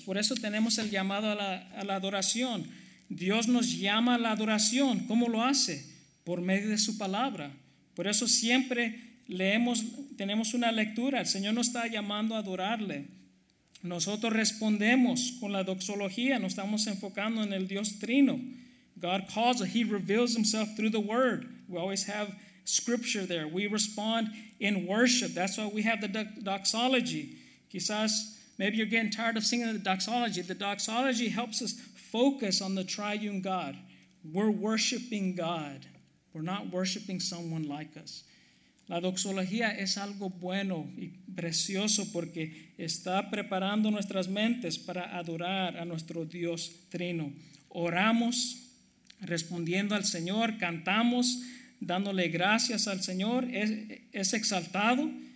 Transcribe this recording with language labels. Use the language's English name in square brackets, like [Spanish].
[Spanish] Por eso tenemos el llamado a la adoración. Dios nos llama a la adoración. ¿Cómo lo hace? Por medio de su palabra. Por eso siempre leemos, tenemos una lectura. El Señor nos está llamando a adorarle. Nosotros respondemos con la doxología. Nos estamos enfocando en el Dios trino. [English] God calls us. He reveals himself through the word. We always have scripture there. We respond in worship. That's why we have the doxology. Quizás, maybe you're getting tired of singing the doxology. The doxology helps us focus on the triune God. We're worshiping God. We're not worshiping someone like us. [Spanish] La doxología es algo bueno y precioso porque está preparando nuestras mentes para adorar a nuestro Dios trino. Oramos respondiendo al Señor, cantamos dándole gracias al Señor, es exaltado.